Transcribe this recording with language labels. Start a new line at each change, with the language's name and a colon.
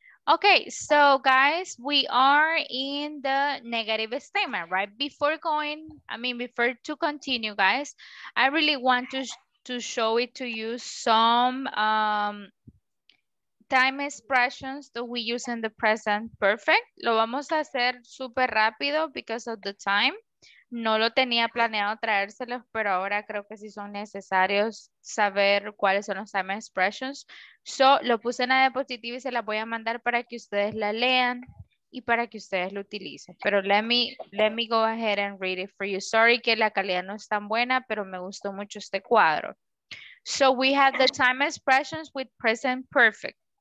English: Okay, so guys, we are in the negative statement, right? Before going, I mean, before to continue, guys, I really want to show it to you some time expressions that we use in the present perfect.
Spanish: Lo vamos a hacer super rápido
English: because of the time.
Spanish: No lo tenía planeado traérselos, pero ahora creo que sí son necesarios saber cuáles son los time expressions. So, lo puse en la diapositiva y se la voy a mandar para que ustedes la lean y para que ustedes lo utilicen.
English: Pero let me go ahead and read it for you.
Spanish: Sorry que la calidad no es tan buena, pero me gustó mucho este cuadro.
English: So, we have the time expressions with present perfect.